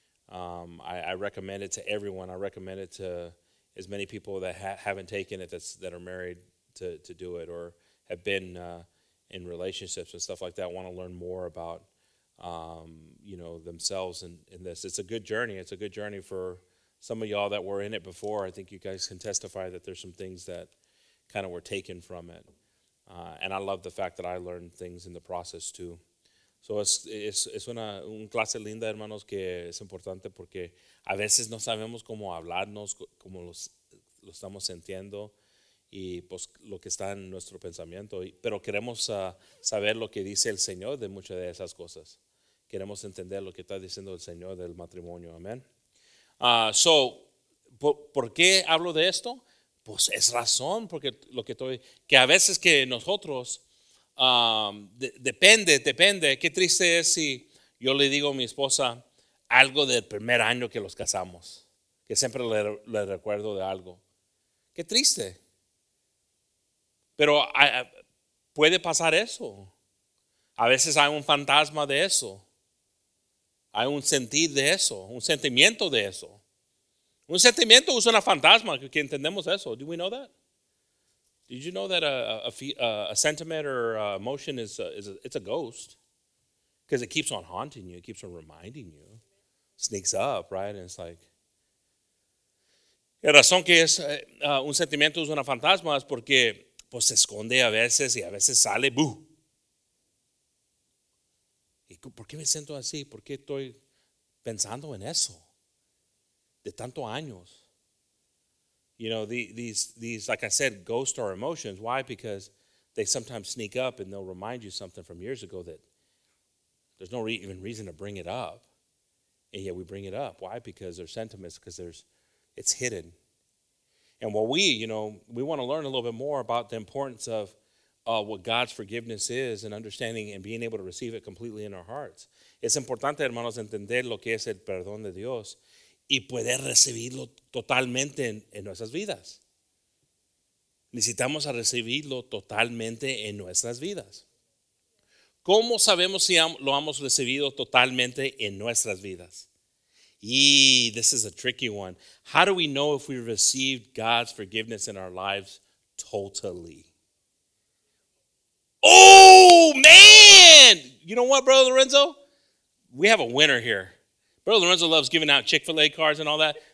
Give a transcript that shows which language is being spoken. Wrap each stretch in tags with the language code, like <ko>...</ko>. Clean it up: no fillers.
<en>I recommend it to everyone. I recommend it to as many people that haven't taken it that are married to do it or have been in relationships and stuff like that, want to learn more about, you know, themselves in this. It's a good journey. It's a good journey for some of y'all that were in it before. I think you guys can testify that there's some things that kind of were taken from it. And I love the fact that I learned things in the process too.</en> <es>So es una un clase linda, hermanos, que es importante porque a veces no sabemos cómo hablarnos, cómo lo estamos sintiendo y pues lo que está en nuestro pensamiento. Pero queremos saber lo que dice el Señor de muchas de esas cosas. Queremos entender lo que está diciendo el Señor del matrimonio. Amén. So, ¿por qué hablo de esto? Pues es razón, porque lo que estoy, que a veces que nosotros, depende, qué triste es si yo le digo a mi esposa algo del primer año que los casamos, que siempre le recuerdo de algo. Qué triste. Pero puede pasar eso. A veces hay un fantasma de eso. Hay un sentir de eso, un sentimiento de eso. Un sentimiento es una fantasma, que entendemos eso.</es> <en>Do we know that? Did you know that a sentiment or emotion is a ghost? Because it keeps on haunting you, it keeps on reminding you. Sneaks up, right? And it's like...</en> <es>La razón que es un sentimiento es una fantasma es porque pues, se esconde a veces y a veces sale, ¡buh! ¿Por qué me siento así? ¿Por qué estoy pensando en eso? De tantos años.</es> <en>You know, these like I said, ghosts are emotions. Why? Because they sometimes sneak up and they'll remind you something from years ago that there's no even reason to bring it up. And yet we bring it up. Why? Because there's sentiments, because it's hidden. And what we want to learn a little bit more about the importance of what God's forgiveness is and understanding and being able to receive it completely in our hearts.</en> <es>Es importante, hermanos, entender lo que es el perdón de Dios y poder recibirlo totalmente en nuestras vidas. Necesitamos a recibirlo totalmente en nuestras vidas. ¿Cómo sabemos si lo hemos recibido totalmente en nuestras vidas?</es> <en>Y this is a tricky one. How do we know if we received God's forgiveness in our lives totally? Oh, man! You know what, Brother Lorenzo? We have a winner here. Brother Lorenzo loves giving out Chick-fil-A cards and all that.</en>